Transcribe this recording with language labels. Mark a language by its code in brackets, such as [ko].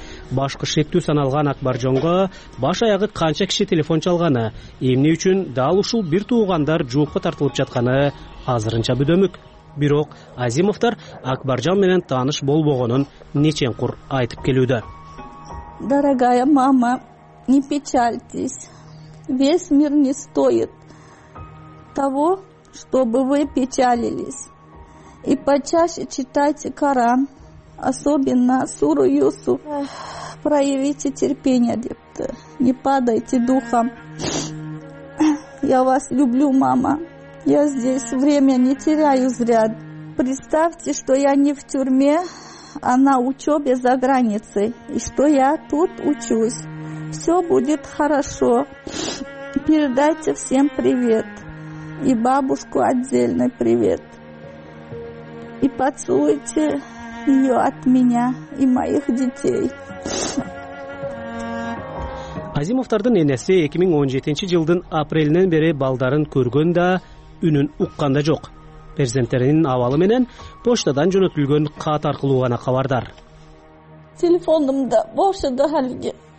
[ky] Башкы шектүү саналган Акбаржонго баш аягы канча киши телефон чалганы, эмне үчүн дал ушул бир туугандар жоопко тартылып жатканы азырынча бүдөмүк. Бирок Азимовтор Акбаржон менен тааныш болбогонун неченкур айтып келүүдө. [ru] Дорогая мама, не печальтесь. Весь мир не стоит того, чтобы вы печалились. И почаще читайте Коран, особенно суру Юсуф. Проявите терпение, депта. Не падайте духом. Я вас люблю, мама. Я здесь время не теряю зря. Представьте, что я не в тюрьме, а на учебе за границей. И что я тут учусь. Все будет хорошо. Передайте всем привет. И бабушку отдельный привет. И поцелуйте ее от меня и моих детей. [ky] Азимовтордун энеси 2017 жылдын апрелинен бери балдарын көргөн да, үнүн уккан да жок. перзенттеринин абалы менен почтадан жөнөтүлгөн каат аркылуу гана кабардар. Телефонумда бошоду халге.